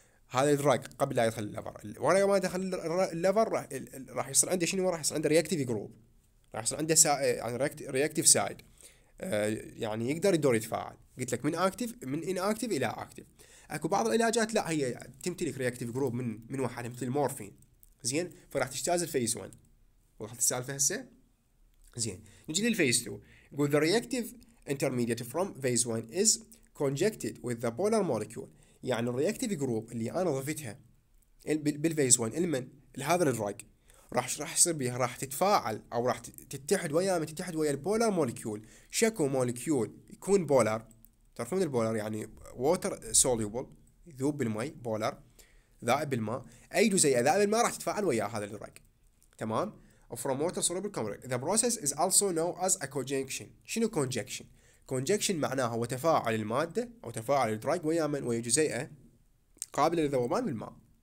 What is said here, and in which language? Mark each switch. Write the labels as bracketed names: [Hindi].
[Arabic] هذا الدراج قبل لا يدخل الليفر ورا ما دخل الليفر راح يصير عنده شنو راح يصير عنده رياكتيف جروب راح يصير عنده يعني رياكتيف سايد يعني يقدر يدور يتفاعل. قلت لك من اكتيف من ان اكتيف الى اكتيف. اكو بعض العلاجات لا هي تمتلك رياكتيف جروب من واحد مثل المورفين زين فراح تجتاز الفيس 1 وضحت السالفه هسه زين. [English] نجي للفيس 2 يقول the reactive intermediate from phase 1 is conjugated with the polar molecule. [Arabic] يعني الرياكتيف جروب اللي انا ضفتها بالفيز 1 المن لهذا الدراج راح يصير بها راح تتفاعل او راح تتحد ويا ما تتحد ويا البولار مولكيول. شكو مولكيول يكون بولار تعرفون البولار يعني ووتر سوليوبل يذوب بالماء بولار ذائب بالماء اي جزيئه ذائب بالماء راح تتفاعل ويا هذا الدراج تمام from water soluble compound. [English] The process is also known as a conjugation. [Arabic] شنو conjugation؟ كونجكشن معناها هو تفاعل المادة أو تفاعل الدراج ويا من ويا جزيئة قابلة للذوبان بالماء.